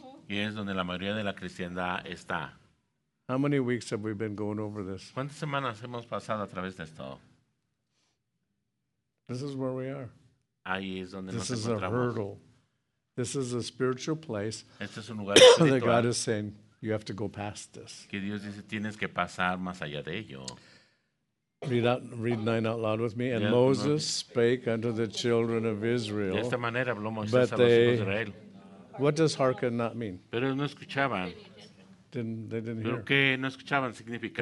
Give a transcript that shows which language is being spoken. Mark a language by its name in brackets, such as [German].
[Spanish] Y aquí es donde la mayoría de la cristiandad está. [English] How many weeks have we been going over this? [Spanish] ¿Cuántas semanas hemos pasado a través de esto? [English] This is where we are. [Spanish] Ahí es donde [English] this [Spanish] nos [English] is [Spanish] encontramos. [English] A hurdle. This is a spiritual place [Spanish] este es un lugar espiritual. [English] That God is saying, you have to go past this. [Spanish] Que Dios dice, tienes que pasar más allá de ello. [English] Read 9 out loud with me. And Moses spake unto the children of Israel. [Spanish] De esta manera habló Moisés a los hijos de Israel. [English] What does hearken not mean? [Spanish] Pero no escuchaban. [English] They didn't hear. [Spanish] Pero que no escuchaban significa.